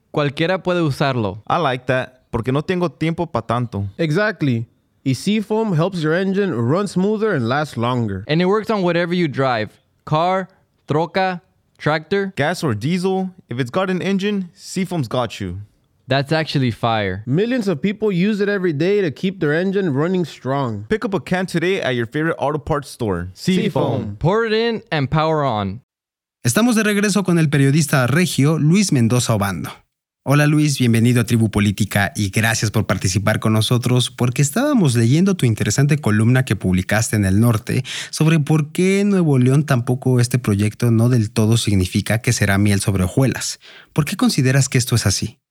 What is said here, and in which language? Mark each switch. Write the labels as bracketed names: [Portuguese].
[Spanish] Cualquiera puede usarlo. [English] I like that. [Spanish] Porque no tengo tiempo pa' tanto. [English] Exactly. Y Seafoam helps your engine run smoother and last longer. And it works on whatever you drive. Car, troca, tractor. Gas or diesel. If it's got an engine, Seafoam's got you. That's actually fire. Millions of people use it every day to keep their engine running strong. Pick up a can today at your favorite auto parts store. Seafoam. Pour it in and power on. [Spanish] Estamos de regreso con el periodista regio Luis Mendoza Obando. Hola Luis, bienvenido a Tribu Política y gracias por participar con nosotros, porque estábamos leyendo tu interesante columna que publicaste en El Norte sobre por qué Nuevo León tampoco este proyecto no del todo significa que será miel sobre hojuelas. ¿Por qué consideras que esto es así?